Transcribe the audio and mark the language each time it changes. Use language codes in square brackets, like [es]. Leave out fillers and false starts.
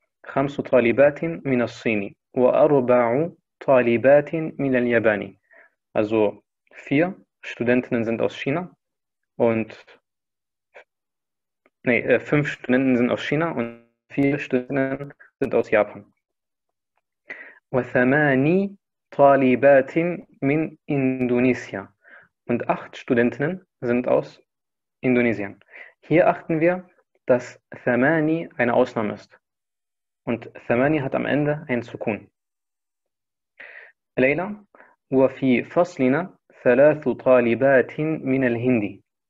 [ar] خمس طالبات من الصين وأربع طالبات من اليابان. [de] Also 4 Studentinnen sind aus China und 5 Studenten sind aus China und 4 Studenten sind aus Japan. [ar] وثماني طالبات من إندونيسيا. [de] Und 8 Studentinnen sind aus Indonesien. Hier achten wir, dass ثماني eine Ausnahme ist. Und Thamani hat am Ende ein Sukun. [ar] Leila, wa fi faslina thalathu talibatin min al-Hindi.